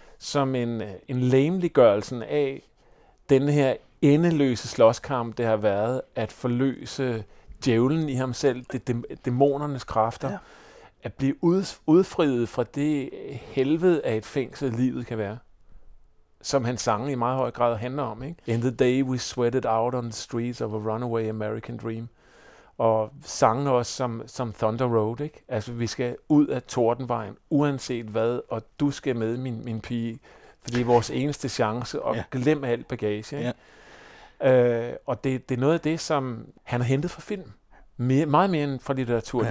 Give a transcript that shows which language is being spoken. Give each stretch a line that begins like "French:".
Danish: Som en lameliggørelse af den her endeløse slåskamp, det har været at forløse djævlen i ham selv, dæmonernes kræfter. Ja. At blive udfriet fra det helvede af et fængsel, livet kan være. Som hans sange i meget høj grad handler om. Ikke?
English: In the day we sweated out on the streets of a runaway American dream.
Danish: Og sangen også som Thunder Road. Ikke? Altså vi skal ud af Tordenvejen, uanset hvad. Og du skal med, min pige. For det er vores eneste chance at glemme alt bagage. Ikke? Og det er noget af det, som han har hentet fra filmen. Meget mere end fra litteratur. Ja.